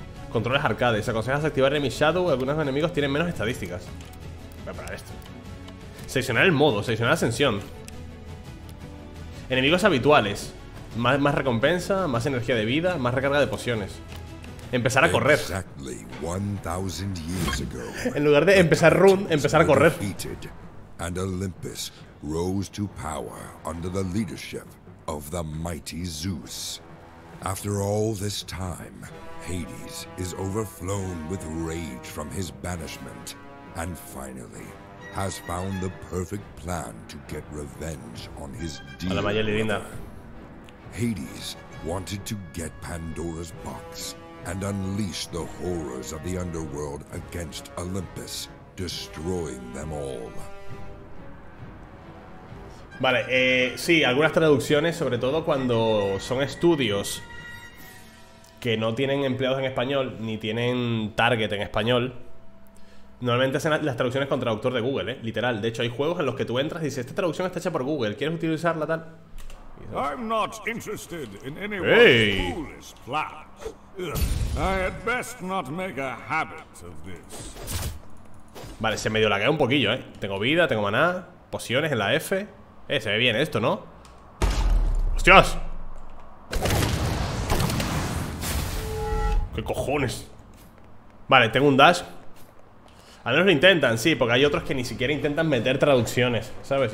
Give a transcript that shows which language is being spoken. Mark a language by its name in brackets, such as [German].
[Spanish] Controles arcades, aconsejas activar Enemy Shadow. Algunos enemigos tienen menos estadísticas. Voy a parar esto. Seleccionar el modo, seleccionar ascensión. Enemigos habituales. Más recompensa, más energía de vida, más recarga de pociones. Empezar a correr. Exactly 1000 years ago, en lugar de empezar run, empezar a correr. [English] Defeated, and Olympus rose to power under the leadership of the mighty Zeus. After all this time, Hades is overflown with rage from his banishment and finally has found the perfect plan to get revenge on his dear brother. Hades wanted to get Pandora's box and unleash the horrors of the underworld against Olympus, destroying them all. [Spanish] Vale, sí, algunas traducciones, sobre todo cuando son estudios que no tienen empleados en español ni tienen target en español. Normalmente hacen las traducciones con traductor de Google, literal. De hecho, hay juegos en los que tú entras y dices: esta traducción está hecha por Google, ¿quieres utilizarla tal? [English] I'm not interested in anyone's foolish plans. I had best not make a habit of this. [Spanish] Vale, se medio laguea un poquillo, Tengo vida, tengo maná, pociones en la F. Se ve bien esto, ¿no? ¡Hostias! ¿Qué cojones? Vale, tengo un dash. Al menos lo intentan, sí, porque hay otros que ni siquiera intentan meter traducciones, ¿sabes?